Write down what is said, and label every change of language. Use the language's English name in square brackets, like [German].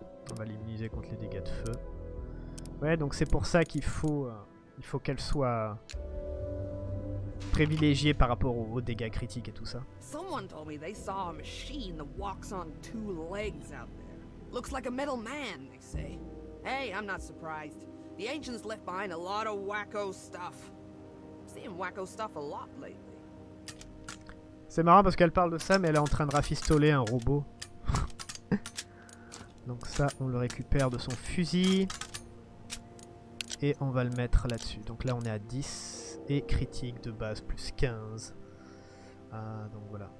[French] On va l'immuniser contre les dégâts de feu. Ouais, donc c'est pour ça qu'il faut... il faut qu'elle soit... privilégié par rapport aux dégâts critiques et tout ça. [English] Someone told me they saw a machine that walks on two legs out there. Looks like a metal man, they say. Hey, I'm not surprised. The ancients left behind a lot of wacko stuff. I'm seeing wacko stuff a lot lately. [French] C'est marrant parce qu'elle parle de ça, mais elle est en train de rafistoler un robot. Donc ça, on le récupère de son fusil. Et on va le mettre là-dessus. Donc là, on est à 10. Et critique de base plus 15. Donc voilà.